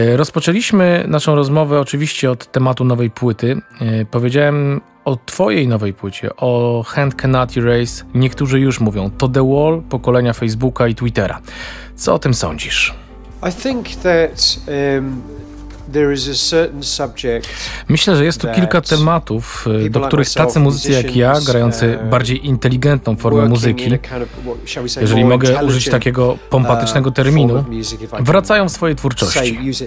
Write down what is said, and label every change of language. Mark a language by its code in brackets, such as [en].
[pl] Rozpoczęliśmy naszą rozmowę oczywiście od tematu nowej płyty. Powiedziałem o twojej nowej płycie, o Hand Cannot Erase. Niektórzy już mówią, to The Wall pokolenia Facebooka i Twittera. Co o tym sądzisz? [en] I think that there is a certain subject. [pl] Myślę, że jest tu kilka tematów, do których tacy muzycy jak ja, grający bardziej inteligentną formę muzyki, jeżeli mogę użyć takiego pompatycznego terminu, wracają w swojej twórczości.